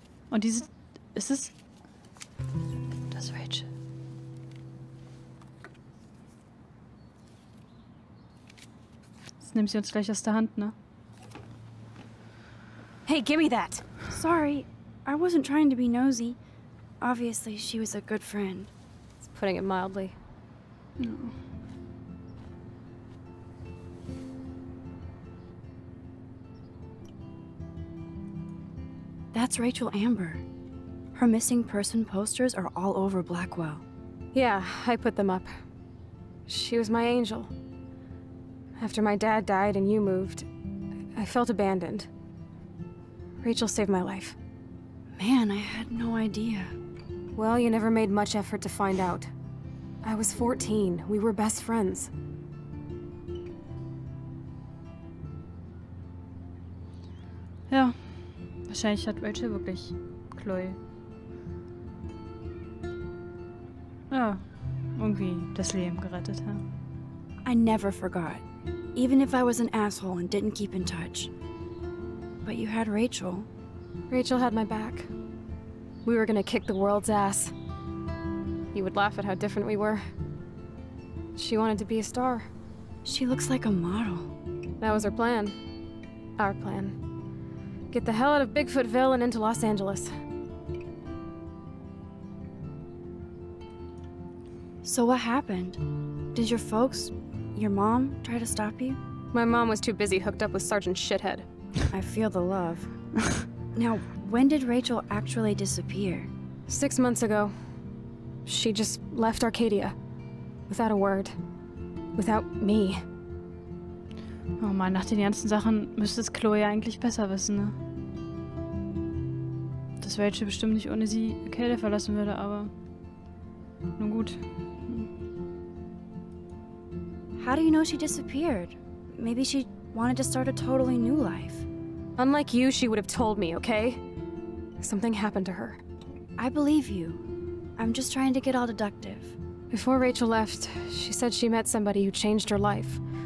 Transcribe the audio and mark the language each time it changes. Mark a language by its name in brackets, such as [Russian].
[German] Und diese... Ist es... Das ist Rachel. Jetzt nimmt sie uns gleich aus der Hand, ne? [English] Hey, give me that! Sorry, I wasn't trying to be nosy. Obviously, she was a good friend. It's putting it mildly. No. That's Rachel Amber. Her missing person posters are all over Blackwell. Yeah, I put them up. She was my angel. After my dad died and you moved, I felt abandoned. Rachel saved my life. Man, I had no idea. Well, you never made much effort to find out. I was 14. We were best friends. [German] Ja, wahrscheinlich hat Rachel wirklich Chloe. Ja, irgendwie das Leben gerettet, hä? [English] I never forgot. Even if I was an asshole and didn't keep in touch. But you had Rachel. Rachel had my back. We were gonna kick the world's ass. You would laugh at how different we were. She wanted to be a star. She looks like a model. That was her plan. Our plan. Get the hell out of Bigfootville and into Los Angeles. So what happened? Did your folks, your mom, try to stop you? My mom was too busy hooked up with Sergeant Shithead. I feel the love. Now, when did Rachel actually disappear? 6 months ago. She just left Arcadia. Without a word. Without me. [German] Oh man, nach den ganzen Sachen müsste es Chloe eigentlich besser wissen, ne? Dass Rachel bestimmt nicht ohne sie Arcadia verlassen würde, aber... Nun gut. [English] How do you know she disappeared? Maybe she wanted to start a totally new life. Unlike you, she would have told me, okay? Something happened to her. I believe you. I'm just trying to get all deductive. Before Rachel left, she said she met somebody who changed her life.